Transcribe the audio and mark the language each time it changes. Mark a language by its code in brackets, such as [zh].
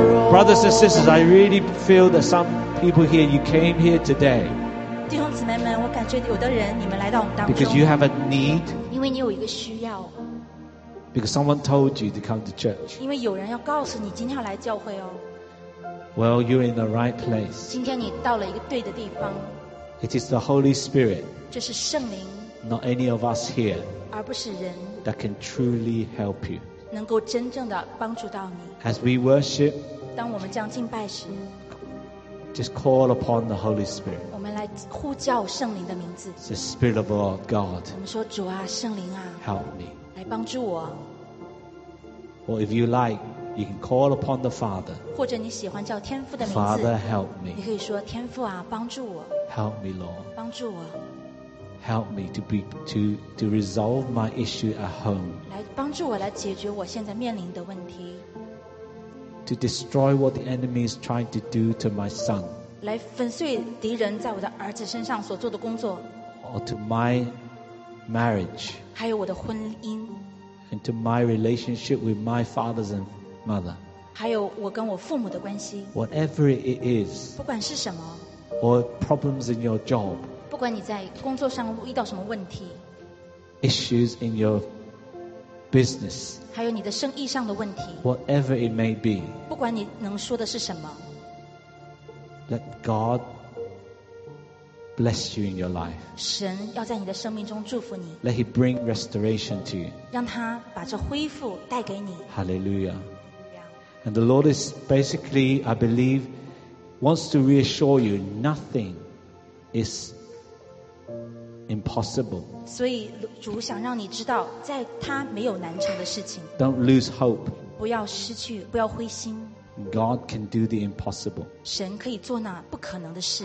[en] Brothers and sisters, I really feel that some people here, you came here today. [zh] 弟兄姊妹们，我感觉有的人你们来到我们当中。 [en] Because you have a need. [zh] 因为你有一个需要。 [en] Because someone told you to come to church. [zh] 因为有人要告诉你今天要来教会哦。 [en] Well, you're in the right place. [zh] 今天你到了一个对的地方。 [en] It is the Holy Spirit. [zh] 这是圣灵。 [en] Not any of us here. [zh] 而不是人。 [en] That can truly help you. [zh] 能够真正的帮助到你。 [en] As we worship. [zh] 当我们将敬拜时 [en] Just call upon the Holy Spirit. [zh] 我们来呼叫圣灵的名字 [en] The Spirit of our God. [zh] 我们说主啊圣灵啊 [en] Help me. [zh] 来帮助我 [en] Or if you like, you can call upon the Father. [zh] 或者你喜欢叫天父的名字 [en] Father, help me. [zh] 你可以说天父啊帮助我 [en] Help me, Lord. [zh] 帮助我 [en] Help me to resolve my issue at home. [zh] 来帮助我来解决我现在面临的问题 [en] To destroy what the enemy is trying to do to my son. [zh] 来粉碎敌人在我的儿子身上所做的工作 [en] Or to my marriage. [zh] 还有我的婚姻 [en] And to my relationship with my father and mother. [zh] 还有我跟我父母的关系 [en] Whatever it is. [zh] 不管是什么 [en] Or problems in your job. [zh] 不管你在工作上遇到什么问题 [en] Issues in your business. [zh] 还有你的生意上的问题 [en] Whatever it may be [zh] 不管你能说的是什么 [en] Let God bless you in your life [zh] 神要在你的生命中祝福你 [en] Let He bring restoration to you [zh] 让他把这恢复带给你 [en] Hallelujah And the Lord is basically, I believe wants to reassure you nothing is impossible [zh] 所以主想让你知道在他没有难成的事情 [en] Don't lose hope [zh] 不要失去不要灰心 [en] God can do the impossible. [zh] 神可以做那不可能的事。